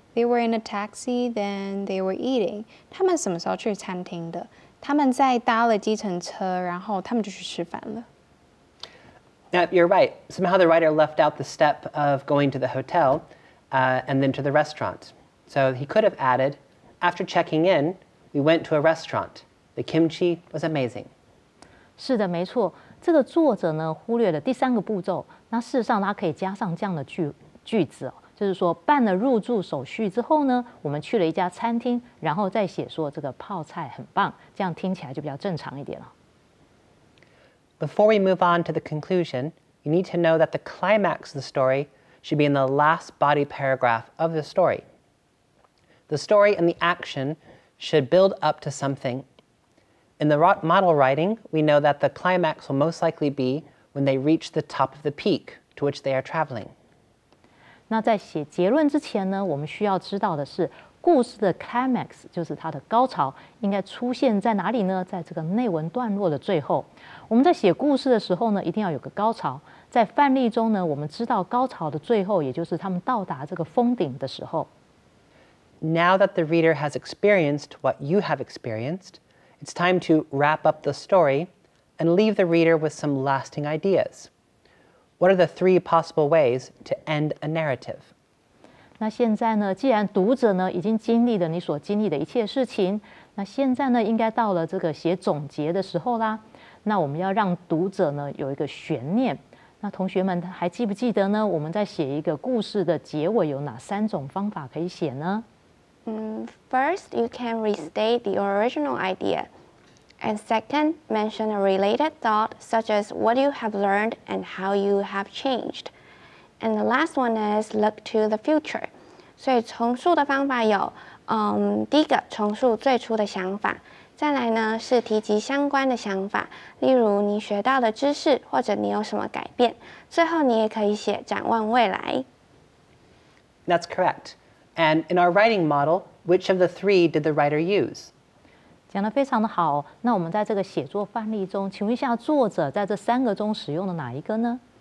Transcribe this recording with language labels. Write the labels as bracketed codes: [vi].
[en] They were in a taxi, then they were eating. [zh] 他们什么时候去餐厅的？他们在搭了计程车，然后他们就去吃饭了。 [en] You're right. Somehow the writer left out the step of going to the hotel, and then to the restaurant. So he could have added, after checking in, we went to a restaurant. The kimchi was amazing. [zh] 是的，没错。这个作者呢，忽略了第三个步骤。那事实上，他可以加上这样的句子、哦就是说办了入住手续之后呢我们去了一家餐厅然后再写说这个泡菜很棒这样听起来就比较正常一点了。 [en] Before we move on to the conclusion, you need to know that the climax of the story should be in the last body paragraph of the story. The story and the action should build up to something. In the model writing, we know that the climax will most likely be when they reach the top of the peak to which they are traveling. [zh] 那在写结论之前呢，我们需要知道的是故事的 climax 就是它的高潮应该出现在哪里呢？在这个内文段落的最后。我们在写故事的时候呢，一定要有个高潮。在范例中呢，我们知道高潮的最后，也就是他们到达这个峰顶的时候。 [en] Now that the reader has experienced what you have experienced, it's time to wrap up the story and leave the reader with some lasting ideas. What are the three possible ways to end a narrative? [zh] 那现在呢，既然读者呢已经经历了你所经历的一切事情，那现在呢应该到了这个写总结的时候啦。那我们要让读者呢有一个悬念。那同学们还记不记得呢？我们在写一个故事的结尾有哪三种方法可以写呢？ [en] First, you can restate the original idea. And second, mention a related thought, such as what you have learned and how you have changed. And the last one is look to the future. [zh] 所以重述的方法有，第一个重述最初的想法，再来呢是提及相关的想法，例如你学到的知识或者你有什么改变。最后你也可以写展望未来。 [en] That's correct. And in our writing model, which of the three did the writer use? [zh] 讲得非常的好。那我们在这个写作范例中，请问一下作者在这三个中使用的哪一个呢？